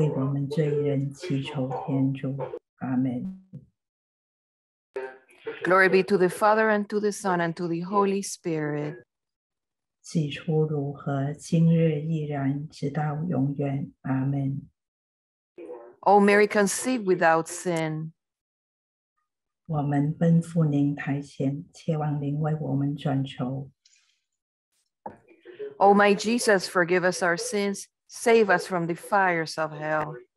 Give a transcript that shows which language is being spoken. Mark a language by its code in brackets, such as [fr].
[zh] 求你现在和我们临终时为我们罪人祈求天主，阿门。万福玛利亚，你充满圣宠，主与你同在，你在妇女中受赞颂，你的亲子耶稣同受赞颂，天主圣母玛利亚，求你现在和我们临终时为我们罪人祈求天主，阿门。 [en] Glory be to the Father, and to the Son, and to the Holy Spirit. [zh] 起初如何，今日亦然，直到永远。Amen. [en] O Mary, conceived without sin. [zh] 我们奔赴您台前，切望您为我们转求。O [en] my Jesus, forgive us our sins, save us from the fires of hell.